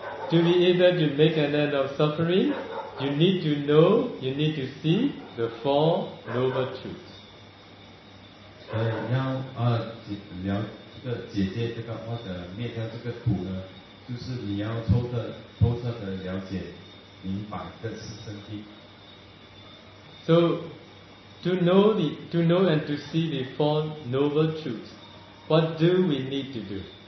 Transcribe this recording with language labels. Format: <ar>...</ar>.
<en>To be able to make an end of suffering, you need to know, you need to see the four noble truths.</en> <zh>要解决这个或者灭掉这个苦呢，就是你要透彻的了解明白这四圣谛。</zh> <en>So. To know and to see the four noble truths, what do we need to do?</en>